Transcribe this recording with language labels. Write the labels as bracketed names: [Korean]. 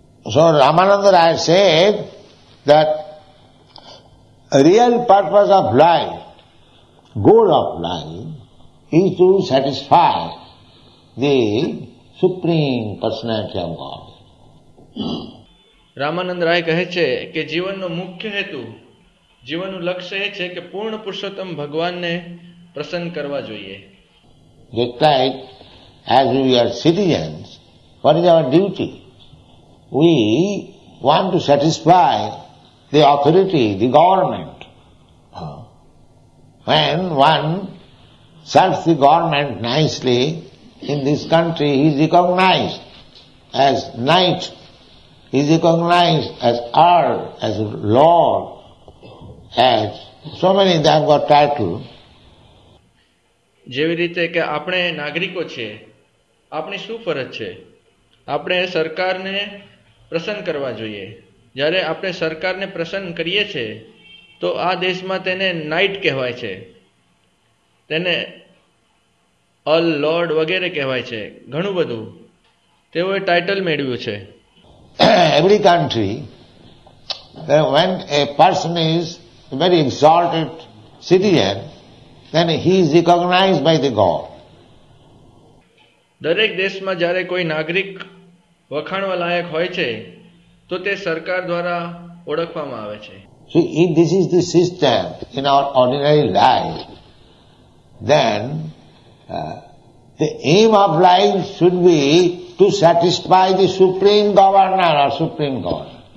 [English] So Ramananda Raya said that real purpose of life, goal of life is to satisfy the supreme personality of God. [Gujarati] Ramanand રાય કહે છે કે જીવનનો મુખ્ય હેતુ, જીવનનું લક્ષ્ય એ છે કે પૂર્ણ પુરુષોત્તમ ભગવાનને પ્રસન્ન કરવા જોઈએ. [English] Just like as we are citizens, what is our duty? We want to satisfy the authority, the government. When one serves the government nicely in this country, he is recognized as knight, he is recognized as earl, as lord, as so many they have got title. [Gujarati] જેવી રીતે કે આપણે નાગરિકો છીએ, આપણી શું ફરજ છે? આપણે સરકારને પ્રસન્ન કરવા જોઈએ. જ્યારે આપણે સરકારને પ્રસન્ન કરીએ છીએ તો આ દેશમાં તેને નાઇટ કહેવાય છે, તેને અલ લોર્ડ વગેરે કહેવાય છે. ઘણું બધું તેઓએ ટાઇટલ મેળવ્યું છે. [English] Every country when a person is very exalted citizen, then he is recognized by the God. [Gujarati] દરેક દેશમાં જ્યારે કોઈ નાગરિક વખાણવા લાયક હોય છે તો તે સરકાર દ્વારા ઓળખવામાં આવે છે. [English] So if this is the system in our ordinary life, then the aim of life should be to satisfy the supreme governor or supreme God.